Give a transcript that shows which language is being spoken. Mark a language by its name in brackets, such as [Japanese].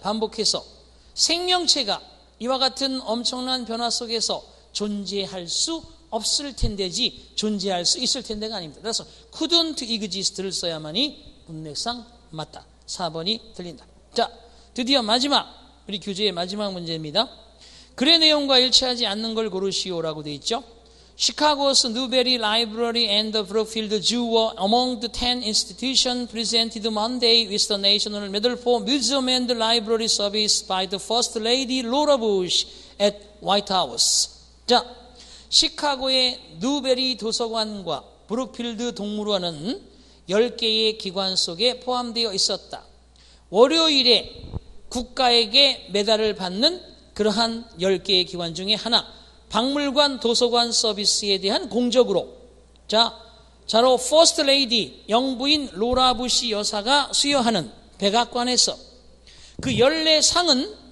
[Korean] 반복해서 생명체가 이와 같은 엄청난 변화 속에서 존재할 수 없을 텐데지 존재할 수 있을 텐데가 아닙니다. 그래서 couldn't exist를 써야만이 문맥상 맞다. 4번이 틀린다. 자, 드디어 마지막 우리 교재의 마지막 문제입니다. 글의 내용과 일치하지 않는 걸 고르시오라고 되어 있죠. [English] Chicago's Newberry Library and the Brookfield Zoo were among the 10 institutions presented Monday with the National Medal for Museum and Library Service by the First Lady Laura Bush at White House. [Korean] 자, 시카고의 뉴베리 도서관과 브룩필드 동물원은 10개의 기관 속에 포함되어 있었다. 월요일에 국가에게 메달을 받는 그러한 10개의 기관 중에 하나, 박물관 도서관 서비스에 대한 공적으로 자로 퍼스트 레이디 영부인 로라 부시 여사가 수여하는 백악관에서 그 14상은